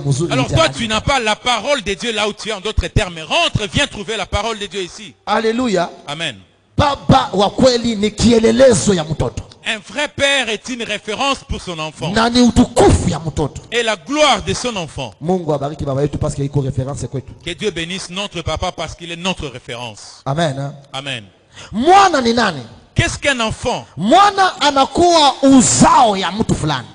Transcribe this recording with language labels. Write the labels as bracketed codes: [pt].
[fr] Alors toi, tu n'as pas la parole de Dieu là où tu es, en d'autres termes. Rentre, viens trouver la parole de Dieu ici. Alléluia. Amen. [sw] Baba wa kweli ni kielelezo ya mtoto. [fr] Un vrai père est une référence pour son enfant. [sw] Na ni utukufu ya mtoto. [fr] Et la gloire de son enfant. [sw] Mungu abariki baba yetu [fr] parce qu'il est une référence [sw] kwetu. [fr] Que Dieu bénisse notre papa parce qu'il est notre référence. Amen. Amen. [sw] Mwana ni nani? [fr] Que Qu'est-ce qu'un enfant? [sw] Mwana anakuwa uzao ya mtu fulani.